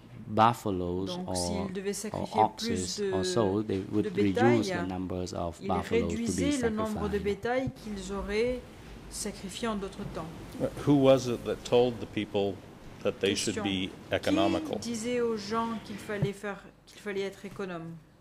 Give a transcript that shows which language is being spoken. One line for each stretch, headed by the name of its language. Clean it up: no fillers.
English: buffaloes or oxes or so, they would reduce the numbers of buffaloes to be sacrificed.
French: Le nombre de bétail qu'ils auraient sacrifié en d'autres temps.
English: Who was it that told the people that they should be economical?
French: Qui disait aux gens qu'il fallait faire, qu'il fallait être économe?